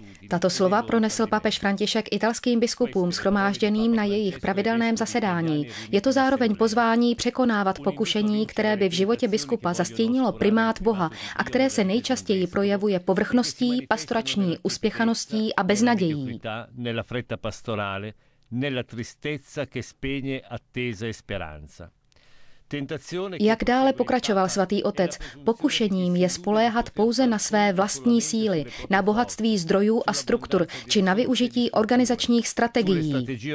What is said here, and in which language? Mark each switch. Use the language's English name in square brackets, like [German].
[Czech] Tato slova pronesl papež František italským biskupům shromážděným na jejich pravidelném zasedání. Je to zároveň pozvání překonávat pokušení, které by v životě biskupa zastínilo primát Boha a které se nejčastěji projevuje povrchností, pastorační uspěchaností a beznadějí. [Italian] Nella fretta pastorale, nella tristezza che spegne attesa e speranza. [Czech] Jak dále pokračoval svatý otec, pokušením je spoléhat pouze na své vlastní síly, na bohatství zdrojů a struktur, či na využití organizačních strategií.